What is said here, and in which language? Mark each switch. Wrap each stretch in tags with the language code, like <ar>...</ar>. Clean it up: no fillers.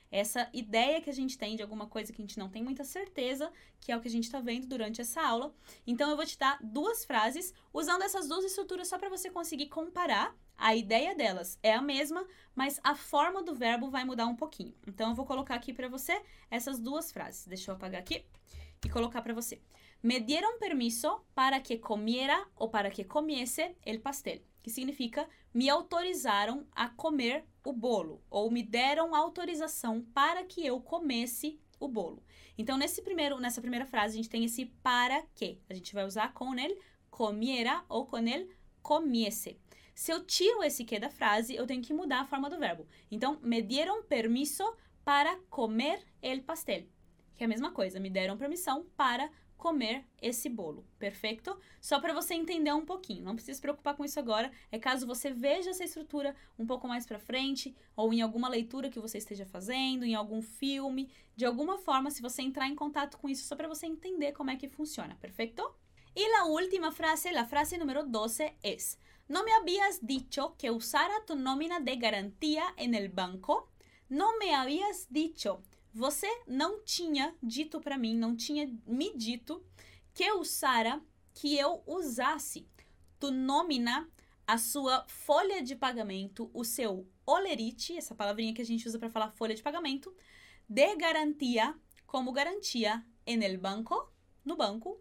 <pt>Essa ideia que a gente tem de alguma coisa que a gente não tem muita certeza, que é o que a gente está vendo durante essa aula. Então, eu vou te dar duas frases, usando essas duas estruturas só para você conseguir comparar. A ideia delas é a mesma, mas a forma do verbo vai mudar um pouquinho. Então, eu vou colocar aqui para você essas duas frases. Deixa eu apagar aqui e colocar para você.</pt> <es>Me dieron permiso para que comiera o para que comiese el pastel.</es> <pt>Que significa, me autorizaram a comer o bolo. Ou me deram autorização para que eu comesse o bolo. Então, nessa primeira frase, a gente tem esse para que. A gente vai usar con el comiera ou con el comiese. Se eu tiro esse que da frase, eu tenho que mudar a forma do verbo. Então,</pt> <es>me dieron permiso para comer el pastel.</es> <pt>Que é a mesma coisa, me deram permissão para comer esse bolo. Perfeito? Só para você entender um pouquinho. Não precisa se preocupar com isso agora. É caso você veja essa estrutura um pouco mais para frente, ou em alguma leitura que você esteja fazendo, em algum filme. De alguma forma, se você entrar em contato com isso, só para você entender como é que funciona. Perfeito? E a última frase, a frase número 12, é...</pt> <es>No me habías dicho que usara tu nómina de garantía en el banco? No me habías dicho.</es> <pt>Você não tinha dito para mim, não tinha me dito</pt> <es>que usara,</es> <pt>que eu usasse</pt> <es>tu nómina,</es> <pt>a sua folha de pagamento, o seu holerite, essa palavrinha que a gente usa para falar folha de pagamento, de garantía, como garantia,</pt> <es>en el banco,</es> <pt>no banco.</pt>